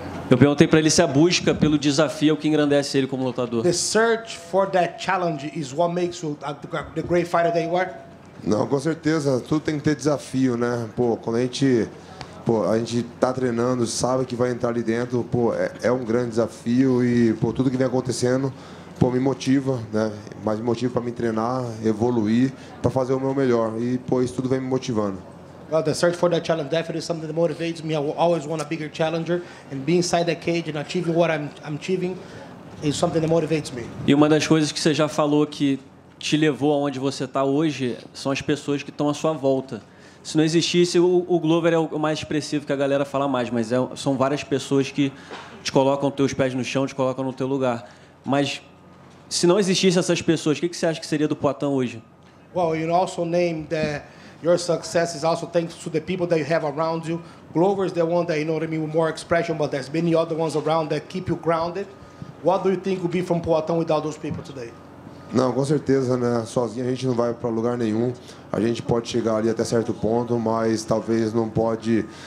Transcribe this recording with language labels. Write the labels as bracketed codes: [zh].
[pt] Eu perguntei para ele se a busca pelo desafio é o que engrandece ele como lutador. [en] The search for that challenge is what makes you the great fighter that you are. [pt] Não, com certeza, tudo tem que ter desafio, né? Pô, quando a gente tá treinando, sabe que vai entrar ali dentro, pô, é um grande desafio e pô, tudo que vem acontecendo, pô, me motiva, né? Mas me motiva para me treinar, evoluir, para fazer o meu melhor e pô, isso tudo vem me motivando. [en] Well, the search for that challenge definitely is something that motivates me. I will always want a bigger challenger, and being inside that cage and achieving what I'm achieving is something that motivates me. [pt] E uma das coisas que você já falou que te levou aonde você está hoje são as pessoas que estão à sua volta. Se não existisse, o Glover é o mais expressivo que a galera fala mais, mas são várias pessoas que te colocam teus pés no chão, te colocam no teu lugar. Mas se não existisse essas pessoas, o que você acha que seria do Poitin hoje? [en] Well, you also named that your success is also thanks to the people that you have around you. Glover is the one that, you know what I mean, with more expression, but there's many other ones around that keep you grounded. What do you think would be from Poitin without those people today? [pt] Não, com certeza, né? Sozinho a gente não vai para lugar nenhum. A gente pode chegar ali até certo ponto, mas talvez não pode.